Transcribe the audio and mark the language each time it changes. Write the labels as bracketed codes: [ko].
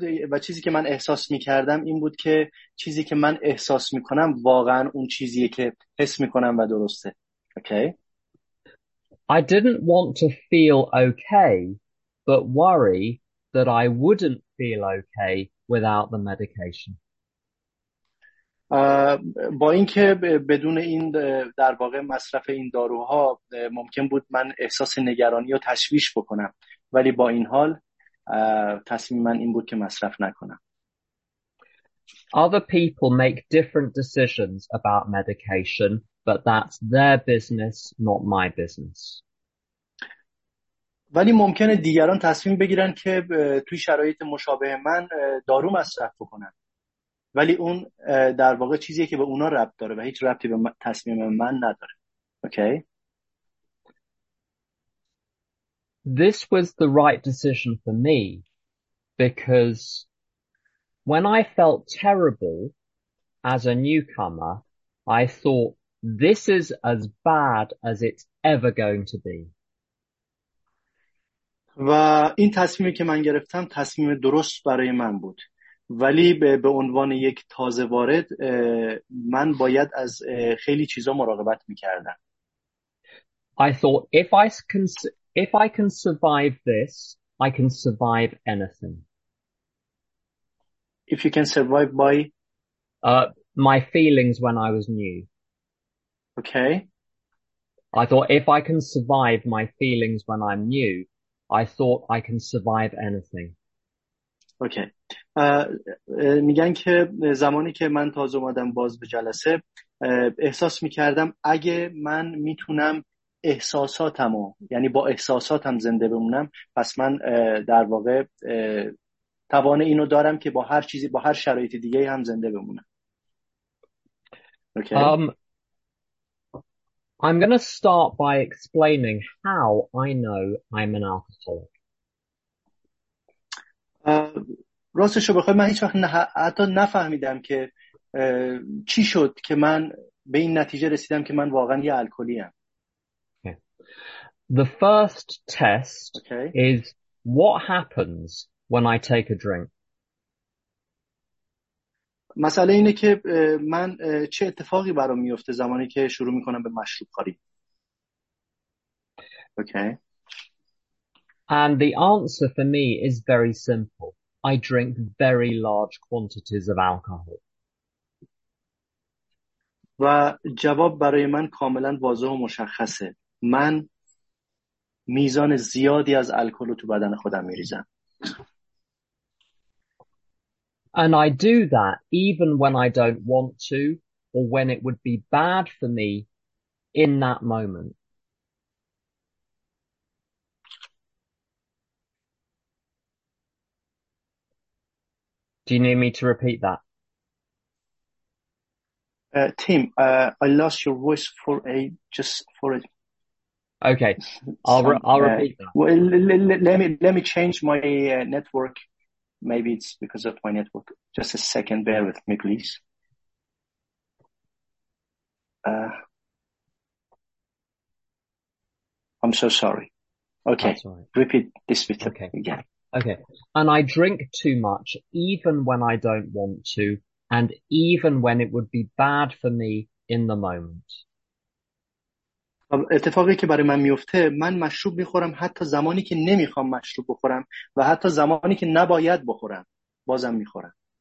[fa] و چیزی که من احساس می‌کردم این بود که چیزی که من احساس می‌کنم واقعاً اون چیزیه که حس می‌کنم و درسته. [en] Okay. I didn't want to feel okay, but worry that I wouldn't feel okay without the medication. [fa] با اینکه بدون این در واقع مصرف این داروها ممکن بود من احساس نگرانی و تشویش بکنم، ولی با این حال تصمیم من این بود که مصرف نکنم. [en] Other people make different decisions about medication, but that's their business, not my business. [fa] ولی ممکنه دیگران تصمیم بگیرن که توی شرایط مشابه من دارو مصرف بکنن، ولی اون در واقع چیزیه که به اونا ربط داره و هیچ ربطی به تصمیم من نداره. [en] Okay. This was the right decision for me because when I felt terrible as a newcomer, I thought this is as bad as it's ever going to be. [fa] و این تصمیمی که من گرفتم تصمیم درست برای من بود، ولی به عنوان یک تازه وارد من باید از خیلی چیزا مراقبت میکردم. [en] I thought if I can survive this, I can survive anything. If you can survive by my feelings when I was new. I thought if I can survive my feelings when I'm new, I thought I can survive anything. [fa] میگن که زمانی که من تازه اومدم باز به جلسه احساس میکردم اگه من میتونم احساساتمو یعنی با احساساتم زنده بمونم پس من در واقع توان اینو دارم که با هر چیزی با هر شرایط دیگه هم زنده بمونم. [en] Okay. I'm going to start by explaining how I know I'm an alcoholic. [fa] راستش رو بخوای من هیچ وقت حتی نفهمیدم که چی شد که من به این نتیجه رسیدم که من واقعا یه الکلی ام. [en] The first test is what happens when I take a drink. [fa] مسئله اینه که من چه اتفاقی برام میفته زمانی که شروع میکنم به مشروب خوری. [en] And the answer for me is very simple. I drink very large quantities of alcohol. [fa] و جواب برای من کاملا واضح و مشخصه. من میزان زیادی از الکل رو تو بدن خودم میریزم. [en] And I do that even when I don't want to or when it would be bad for me in that moment. Do you need me to repeat that? Tim, I lost your voice for a just for a. Okay, I'll repeat that. Well, let me change my network. Maybe it's because of my network. Just a second, bear with me, please. I'm so sorry. Okay, that's all right. Repeat this bit again. Okay, and I drink too much, even when I don't want to, and even when it would be bad for me in the moment. [fa] اتفاقی که برای من میفته من مشروب میخورم حتی زمانی که نمیخوام مشروب بخورم و حتی زمانی که نباید بخورم بازم میخورم.